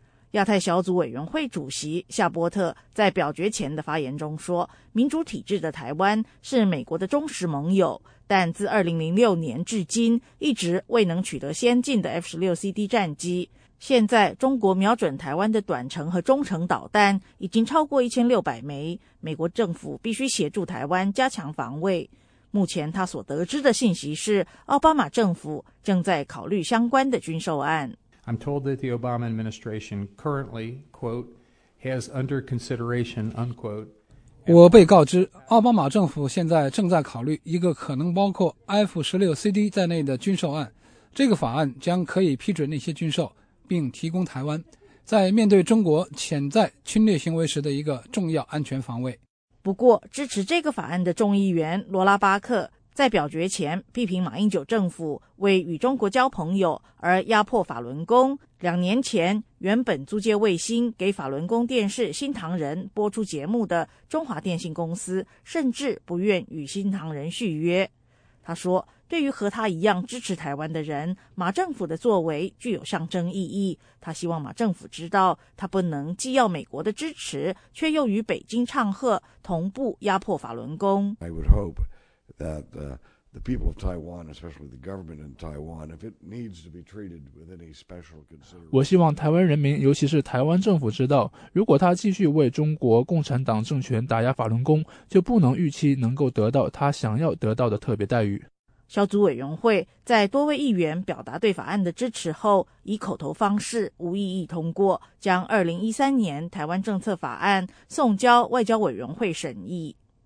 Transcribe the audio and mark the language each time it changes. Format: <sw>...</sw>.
<zh>亚太小组委员会主席夏波特在表决前的发言中说，民主体制的台湾是美国的忠实盟友，但自2006年至今一直未能取得先进的 F-16CD 战机。现在中国瞄准台湾的短程和中程导弹已经超过1600枚，美国政府必须协助台湾加强防卫。目前他所得知的信息是，奥巴马政府正在考虑相关的军售案。</zh> <en>I'm told that the Obama administration currently, quote, has under consideration, unquote.</en> <zh>我被告知，奥巴马政府现在正在考虑一个可能包括 F-16CD 在内的军售案。这个法案将可以批准那些军售，并提供台湾在面对中国潜在侵略行为时的一个重要安全防卫。不过，支持这个法案的众议员罗拉巴克在表决前批评马英九政府为与中国交朋友而压迫法轮功，两年前原本租借卫星给法轮功电视新唐人播出节目的中华电信公司甚至不愿与新唐人续约。他说，对于和他一样支持台湾的人，马政府的作为具有象征意义，他希望马政府知道他不能既要美国的支持却又与北京唱和同步压迫法轮功。</zh> <en>I would hope that the people of Taiwan, especially the government in Taiwan, if it needs to be treated with any special consideration.</en> <zh>我希望台湾人民，尤其是台湾政府知道，如果他继续为中国共产党政权打压法轮功，就不能预期能够得到他想要得到的特别待遇。小组委员会在多位议员表达对法案的支持后，以口头方式无异议通过，将2013年台湾政策法案送交外交委员会审议。</zh>